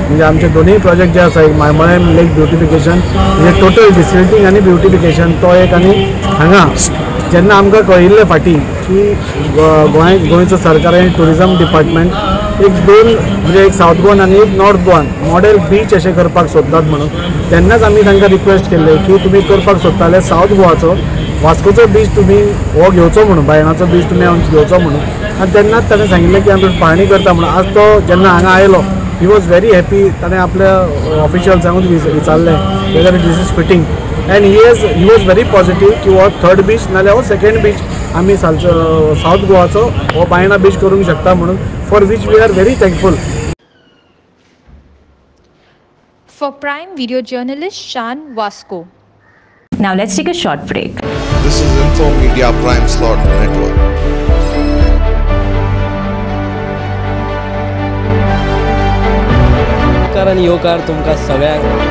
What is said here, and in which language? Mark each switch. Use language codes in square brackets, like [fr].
[gom] म्हणजे आमचे दोनूय प्रोजेक्ट जे आसा एक मांयमळेम लेक ब्युटिफिकेशन म्हणजे टोटल डिसिल्टींग आनी ब्युटिफिकेशन तो एक आनी हांगा जेन्ना आमकां कळिल्ले फाटी की गोंय गोंयचो सरकार आनी ट्युरिजम डिपार्टमेंट एक दोन म्हणजे एक साउथ गोवान आनी एक नॉर्थ गोवान मॉडेल बीच अशें करपाक सोदतात म्हणून तेन्नाच आमी तांकां रिक्वेस्ट केल्ले की तुमी करपाक सोदताले साउथ गोवाचो वास्कोचो बीच तुमी हो घेवचो म्हणून बायणाचो बीच तुमी घेवचो म्हणून आनी तेन्नाच ताणें सांगिल्लें की आमी पाळणी करता म्हणून. आज तो जेन्ना हांगा आयलो [en] He was very happy. [gom] ताणें आपल्या ऑफिशियल्सांकूच विचारलें [en] whether this is fitting and he was very positive [gom] की हो थर्ड बीच नाल्यार हो सेकेंड बीच आमी साउथ गोवाचो हो बायणा बीच करूंक शकता म्हणून [en] For which we are very thankful. For Prime video journalist Shan Vasco. Now let's take a short break. This is Info Media Prime Slot Network. [gom] कारण योकार तुमका सगळ्यांक.